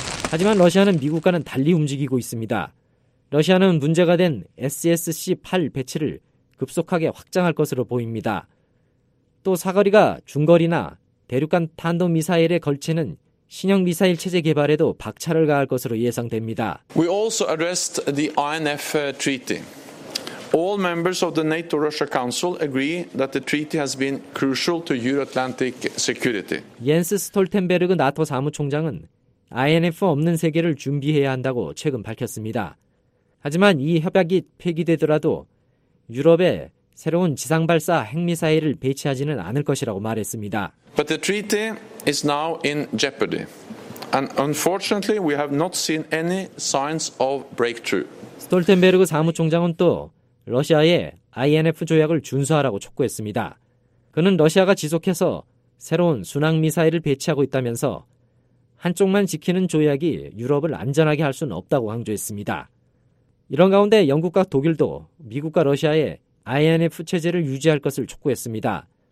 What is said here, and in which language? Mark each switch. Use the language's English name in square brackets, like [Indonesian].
[Korean] 하지만 러시아는 미국과는 달리 움직이고 있습니다. 러시아는 문제가 된 SSC-8 배치를 급속하게 확장할 것으로 보입니다. 또 사거리가 중거리나 대륙간 탄도미사일에 걸치는 신형 미사일 체제 개발에도 박차를 가할 것으로 예상됩니다. [English] We also addressed the INF treaty. All members of the NATO-Russia Council agree that the treaty has been crucial to Euro-Atlantic security. [Korean] 옌스 스톨텐베르그 나토 사무총장은 INF 없는 세계를 준비해야 한다고 최근 밝혔습니다. 하지만 이 협약이 폐기되더라도 유럽에 새로운 지상발사 핵미사일을 배치하지는 않을 것이라고 말했습니다. [English] But the treaty is now in jeopardy. And unfortunately, we have not seen any signs of breakthrough. [Korean] 스톨텐베르그 사무총장은 또 러시아에 INF 조약을 준수하라고 촉구했습니다. 그는 러시아가 지속해서 새로운 순항미사일을 배치하고 있다면서 한쪽만 지키는 조약이 유럽을 안전하게 할 수는 없다고 강조했습니다. 이런 가운데 영국과 독일도 미국과 러시아에 INF 체제를 유지할 것을 촉구했습니다.